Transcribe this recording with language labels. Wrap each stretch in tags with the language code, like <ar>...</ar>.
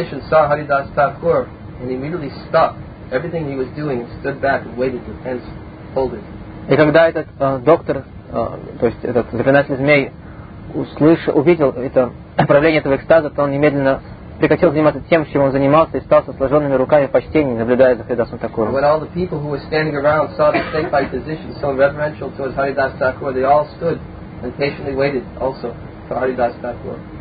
<en>And immediately stopped everything he was doing and stood back and waited with hands folded.</en> <ru>И когда этот доктор, то есть этот заклинатель змей, увидел это проявление этого экстаза, то он немедленно прекратил заниматься тем, чем он занимался, и стал со сложенными руками в почтении, наблюдая за Харидасом Такур.</ru> <en>When all the people who were standing around saw the state by position so reverential towards Haridas Thakur, they all stood and patiently waited also for Haridas Thakur.</en>